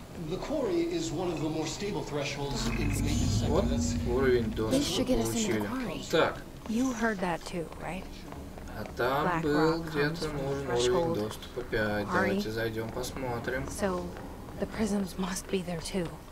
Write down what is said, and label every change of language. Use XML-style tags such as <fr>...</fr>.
<en>The quarry is one of the more stable thresholds in the maintenance sector. They should get us into the quarry. You heard that too, right?</en> <ru>А там был где-то нужен уровень доступа 5. Давайте зайдем, посмотрим.</ru> <en>So, the prisms must be there too.</en>